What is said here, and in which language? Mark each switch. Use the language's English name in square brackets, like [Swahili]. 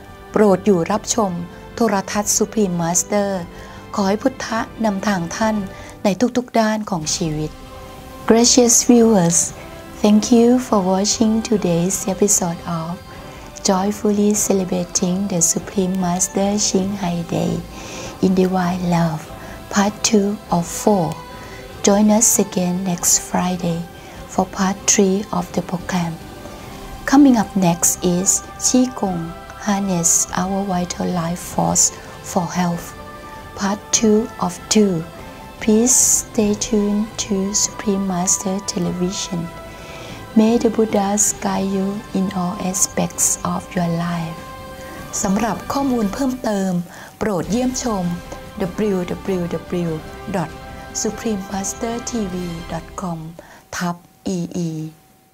[Thai] โปรดอยู่รับชมโทรทัศน์สุพรีมมาสเตอร์ขอให้พุทธะนำทางท่านในทุกๆด้านของชีวิต [English] Gracious viewers, thank you for watching today's episode of Joyfully Celebrating the Supreme Master Ching Hai Day in Divine Love, Part 2 of 4. Join us again next Friday for Part 3 of the program. Coming up next is Chi Gong. Harness our vital life force for health. Part 2 of 2. Please stay tuned to Supreme Master Television. May the Buddhas guide you in all aspects of your life. [Thai] สำหรับข้อมูลเพิ่มเติมโปรดเยี่ยมชม www.suprememastertv.com/ee